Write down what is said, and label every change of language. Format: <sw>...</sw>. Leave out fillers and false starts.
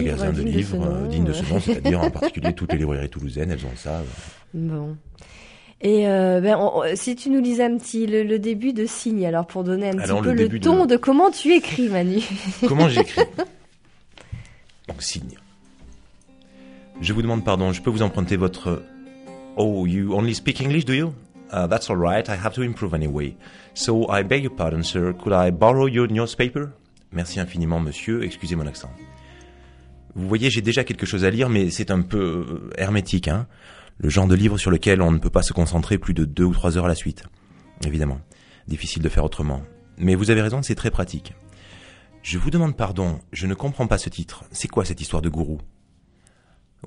<fr>magasins de livres dignes de ce nom, c'est-à-dire en particulier toutes les librairies toulousaines, elles ont ça. Bon. Et si tu nous lisais un petit le début de Signe, alors pour donner un petit peu le ton de comment tu écris, Manu. Comment j'écris ? Donc Signe. Je vous demande pardon, je peux vous emprunter votre...</fr> <en>Oh, you only speak English, do you ? That's all right, I have to improve anyway. So I beg your pardon, sir, could I borrow your newspaper ?</en> <fr>Merci infiniment, monsieur, excusez mon accent. Vous voyez, j'ai déjà quelque chose à lire, mais c'est un peu hermétique, hein ? Le genre de livre sur lequel on ne peut pas se concentrer plus de 2 ou 3 heures à la suite. Évidemment, difficile de faire autrement. Mais vous avez raison, c'est très pratique. Je vous demande pardon, je ne comprends pas ce titre. C'est quoi cette histoire de gourou ?</fr>